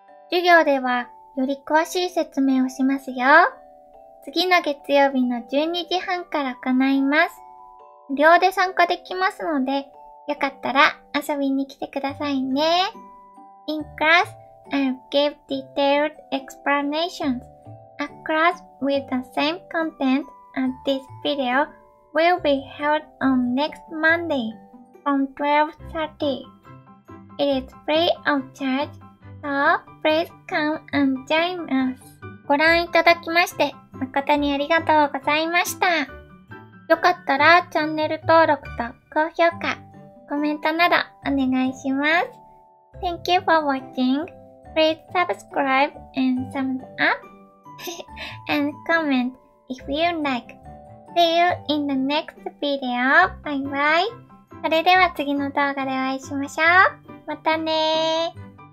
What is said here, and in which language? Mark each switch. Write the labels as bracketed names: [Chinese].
[Japanese] 授業ではより詳しい説明をしますよ。次の月曜日の12時半から行います。無料で参加できますので、よかったら遊びに来てくださいね。 [English] In class, I'll give detailed explanations. A class with the same content as this video will be held on next Monday from 12:30. It is free of charge, so please come and join us. [Japanese] ご覧いただきまして、誠にありがとうございました。よかったらチャンネル登録と高評価、コメントなどお願いします。 [English] Thank you for watching. Please subscribe and thumbs up and comment if you like. See you in the next video. Bye bye. [Japanese] それでは次の動画でお会いしましょう。またねー。